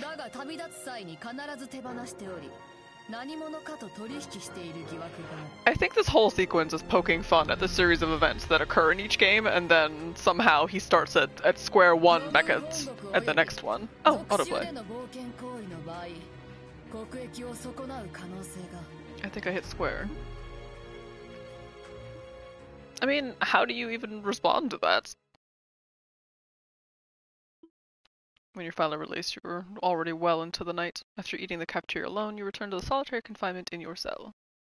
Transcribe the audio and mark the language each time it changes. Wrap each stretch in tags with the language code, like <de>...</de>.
<ja>だが旅立つ際に必ず手放しており、何者かと取引している疑惑が。</ja> <en>I think this whole sequence is poking fun at the series of events that occur in each game, and then somehow he starts at square one back at the next one. Oh, autoplay.</en> <ja>特殊での冒険行為の場合、国益を損なう可能性が。</ja> <en>I think I hit square. I mean, how do you even respond to that? When you're finally released, you're already well into the night. After eating the cafeteria alone, you return to the solitary confinement in your cell.</en>